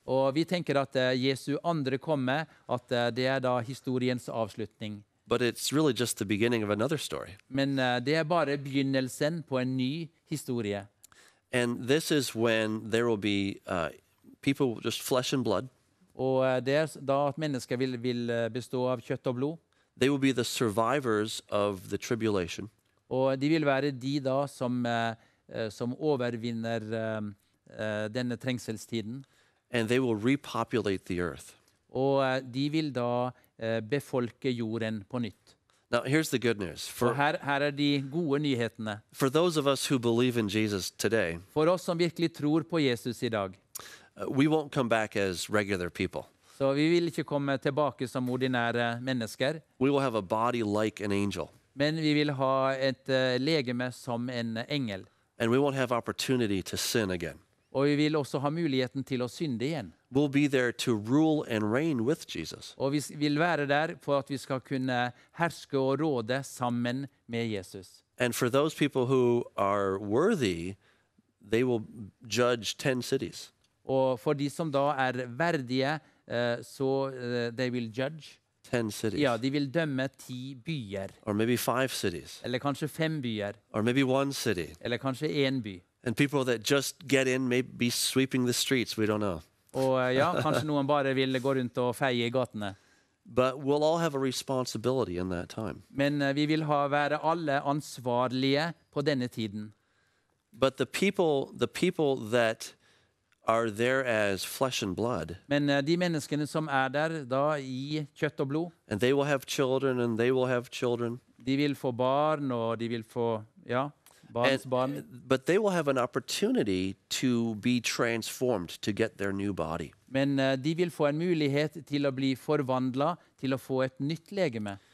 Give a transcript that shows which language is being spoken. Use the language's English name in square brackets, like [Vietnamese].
[Norwegian] Og vi tenker at Jesu andre komme, at det da historiens avslutning. [English] But it's really just the beginning of another story. [Norwegian] Men det bare begynnelsen på en ny historie. [English] And this is when there will be people just flesh and blood. [Norwegian] Og det da at mennesker vil bestå av kjøtt og blod. [English] They will be the survivors of the tribulation. [Norwegian] Og de vil være de da som overvinner denne trengselstiden. [English] And they will repopulate the earth. [Norwegian] Og de vil da befolke jorden på nytt. [English] Now here's the good news. [Norwegian] For her de gode nyhetene. [English] For those of us who believe in Jesus today. [Norwegian] For oss som virkelig tror på Jesus i dag. [English] We won't come back as regular people. [Norwegian] Så vi vil ikke komme tilbake som ordinære mennesker. [English] We will have a body like an angel. [Norwegian] Men vi vil ha et legeme som en engel. [English] And we won't have opportunity to sin again. [Norwegian] Og vi vil også ha muligheten til å synde igjen. [English] We'll be there to rule and reign with Jesus. [Norwegian] Og vi vil være der for at vi skal kunne herske og råde sammen med Jesus. [English] And for those people who are worthy, they will judge 10 cities. [Norwegian] Og for de som da verdige, så [English] they will judge. 10 cities. [Norwegian] Ja, de vil dømme 10 byer. [English] Or maybe 5 cities. [Norwegian] Eller kanskje 5 byer. [English] Or maybe 1 city. [Norwegian] Eller kanskje 1 by. [English] And people that just get in may be sweeping the streets, we don't know. [Norwegian] Og ja, kanskje noen bare vil gå rundt og feie i gatene. [English] But we'll all have a responsibility in that time. [Norwegian] Men vi vil være alle ansvarlige på denne tiden. [English] But the people that are there as flesh and blood. [Norwegian] Men de menneskene som der da i kjøtt og blod. [English] And they will have children and they will have children. [Norwegian] De vil få barn og de vil få ja, barns barn. [English] But they will have an opportunity to be transformed to get their new body. [Norwegian] Men de vil få en mulighet til å bli forvandlet, til å få et nytt legeme.